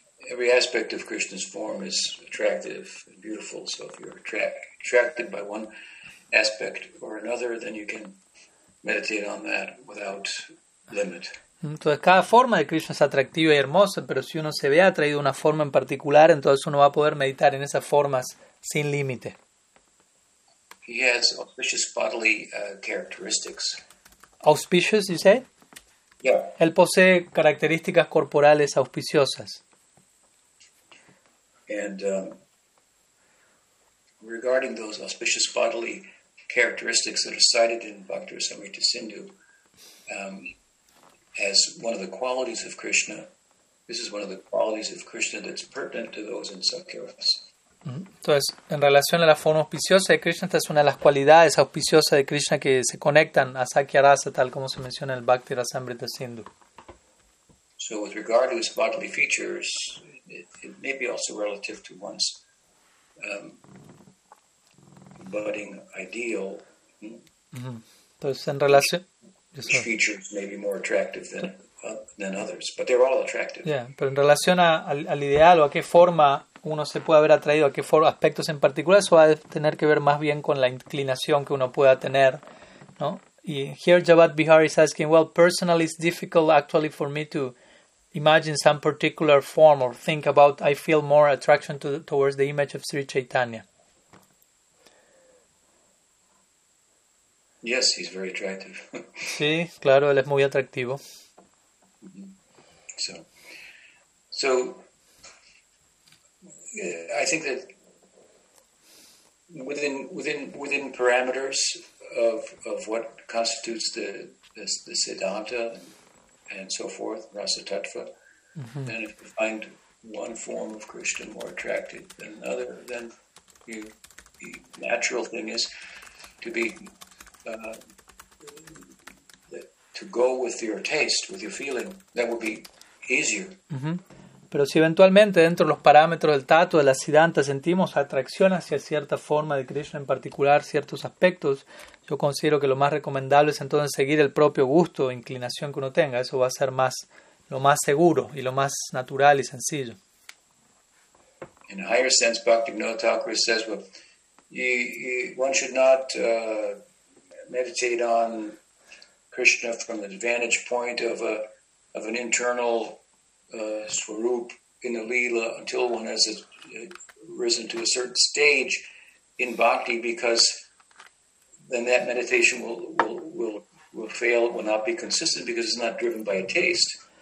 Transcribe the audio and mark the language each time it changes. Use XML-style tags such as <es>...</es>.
<en>Every aspect of Krishna's form is attractive and beautiful, so if you're attracted by one aspect or another, then you can meditate on that without limit.</en> <es>Entonces, cada forma de Krishna es atractiva y hermosa, pero si uno se ve atraído a una forma en particular, entonces uno va a poder meditar en esas formas sin límite.</es> <en>He has auspicious bodily characteristics. Auspicious, you say? Yeah.</en> <es>Él posee características corporales auspiciosas.</es> <en>And regarding those auspicious bodily characteristics that are cited in Bhakti Rasamrita Sindhu as one of the qualities of Krishna, this is one of the qualities of Krishna that's pertinent to those in Sakya Rasa.</en> <es>Entonces, en relación a la forma auspiciosa de Krishna, esta es una de las cualidades auspiciosas de Krishna que se conectan a Sakya Rasa, tal como se menciona en el Bhakti Rasamrita Sindhu.</es> <en>So with regard to his bodily features, it may be also relative to one's budding ideal.</en> <es>Entonces, en relación...</es> <en>Each feature may be more attractive than others, but they're all attractive.</en> <es>Yeah, pero en relación al ideal o a qué forma uno se puede haber atraído, a qué aspectos en particular, eso va a tener que ver más bien con la inclinación que uno pueda tener, ¿no?</es> <en>Y here Jabhat Bihari is asking, well, personally it's difficult actually for me to imagine some particular form or think about, I feel more attraction towards the image of Sri Chaitanya. Yes, he's very attractive.</en> <es>Sí, claro, él es muy atractivo. Mm-hmm.</es> <en>So, I think that within parameters of what constitutes the Siddhanta and so forth, Rasa Tattva, mm-hmm. then if you find one form of Krishna more attractive than another, then the natural thing is to be to go with your taste, with your feeling. That would be easier. Mm-hmm.</en> <es>Pero si eventualmente dentro de los parámetros del tato, de la siddhanta, sentimos atracción hacia cierta forma de Krishna en particular, ciertos aspectos, yo considero que lo más recomendable es entonces seguir el propio gusto o inclinación que uno tenga. Eso va a ser más lo más seguro y lo más natural y sencillo.</es> <en>In a higher sense, Bhaktivinoda Thakura says, well, you, one should not meditate on Krishna from the vantage point of an internal swarup in the lila until one has risen to a certain stage in bhakti, because then that meditation will fail, will not be consistent because it's not driven by a taste.</en>